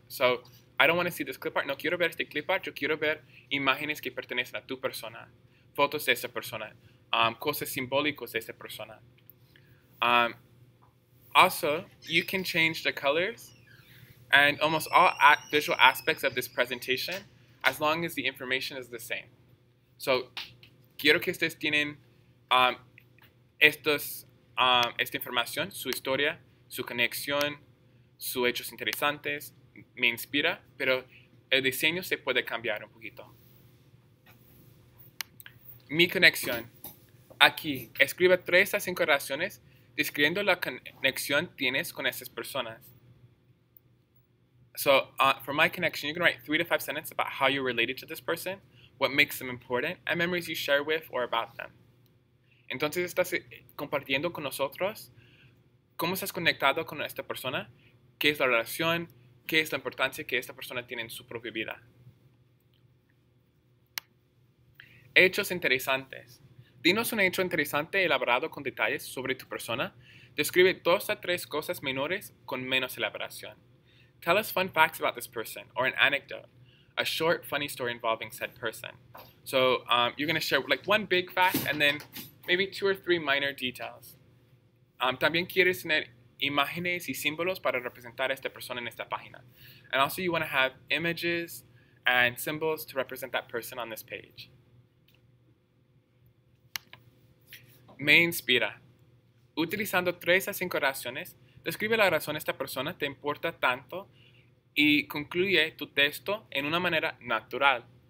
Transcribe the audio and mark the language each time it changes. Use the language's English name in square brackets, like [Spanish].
[English] So I don't want to see this clip art. [Spanish] No quiero ver este clip art. Yo quiero ver imágenes que pertenecen a tu persona. Fotos de esa persona. Cosas simbólicas de esa persona. [English] Also, you can change the colors and almost all visual aspects of this presentation as long as the information is the same. [Spanish] So, quiero que ustedes tienen esta información, su historia, su conexión, sus hechos interesantes. Me inspira, pero el diseño se puede cambiar un poquito. Mi conexión. Aquí, escribe 3 a 5 oraciones describiendo la conexión tienes con esas personas. [English] So, for my connection, you can write 3 to 5 sentences about how you're related to this person, what makes them important, and memories you share with or about them. [Spanish] Entonces, estás compartiendo con nosotros cómo estás conectado con esta persona, qué es la relación, qué es la importancia que esta persona tiene en su propia vida. Hechos interesantes. Dinos un hecho interesante elaborado con detalles sobre tu persona. Describe 2 a 3 cosas menores con menos elaboración. [English] Tell us fun facts about this person or an anecdote. A short, funny story involving said person. So, you're going to share like 1 big fact and then maybe 2 or 3 minor details. [Spanish] También quieres tener imágenes y símbolos para representar a esta persona en esta página. [English] And also you want to have images and symbols to represent that person on this page. [Spanish] Me inspira. Utilizando 3 a 5 oraciones, describe la razón de esta persona te importa tanto y concluye tu texto en una manera natural.